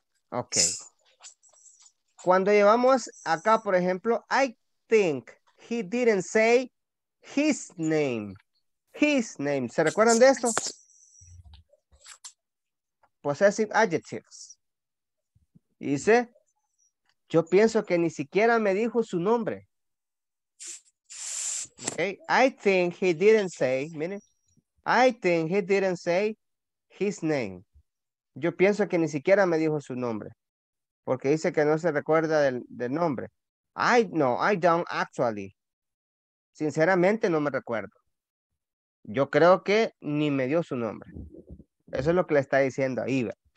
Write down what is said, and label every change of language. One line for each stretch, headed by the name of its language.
Spanish: Ok. Cuando llevamos acá, por ejemplo,
English: I think he didn't say his name. His name.
Spanish: ¿Se recuerdan de esto?
English: Possessive adjectives.
Spanish: Dice, yo pienso que ni siquiera me dijo su nombre.
English: Okay. I think he didn't say,
Spanish: miren,
English: I think he didn't say his name.
Spanish: Yo pienso que ni siquiera me dijo su nombre. Porque dice que no se recuerda del nombre.
English: I don't actually.
Spanish: Sinceramente no me recuerdo. Yo creo que ni me dio su nombre. Eso es lo que le está diciendo a Iber.